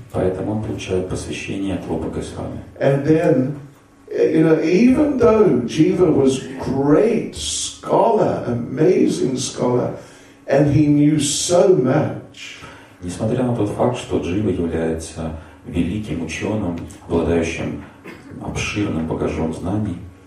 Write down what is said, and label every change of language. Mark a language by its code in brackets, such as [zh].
[ru] Поэтому он получает посвящение от Рупы Госвами. [en] And then, you know, even though Jiva was great scholar, amazing scholar, and he knew so much. [ru] Несмотря на тот факт, что Джива является великим ученым, обладающим обширным багажом знаний,